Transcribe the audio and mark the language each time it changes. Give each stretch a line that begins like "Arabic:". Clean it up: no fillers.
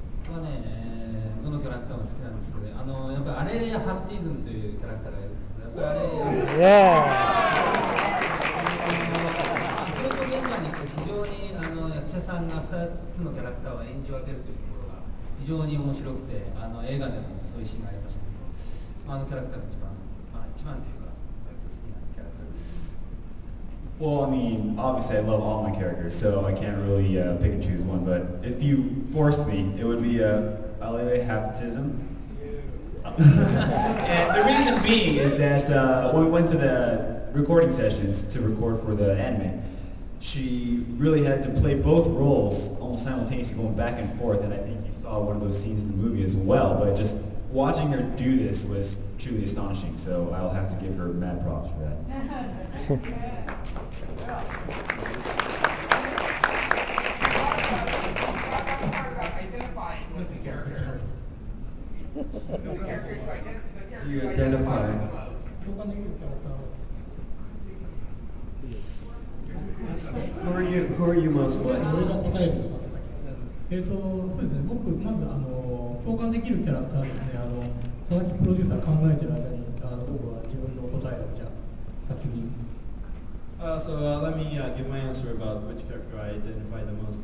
Japanese: まあね、どのキャラクターも好きなんですけど、ね、やっぱりアレレア・ハプティズムというキャラクターがいるんですけど、やっぱりアレレア・アフレコ現場に行くと非常に役者さんが2つのキャラクターを演じ分けるというところが非常に面白くて、映画でもそういうシーンがありましたけど、まあ、キャラクターが一番、まあ、一番というか割と好きなキャラクターです。
English: Well, I mean, obviously I love all my characters, so I can't really pick and choose one, but if you forced me, it would be Alele Haptism. And the reason being is that when we went to the recording sessions to record for the anime, she really had to play both roles almost simultaneously going back and forth, and I think you saw one of those scenes in the movie as well, but just watching her do this was truly astonishing, so I'll have to give her mad props for that. Do you identify? Who are you most like?
Japanese: それが答えるのかってだけ。そうですね。僕まず共感できるキャラクターですね。佐々木プロデューサー考えてる間に僕は自分の答えをじゃあ先に。
English: Let me give my answer about which character I identify the most.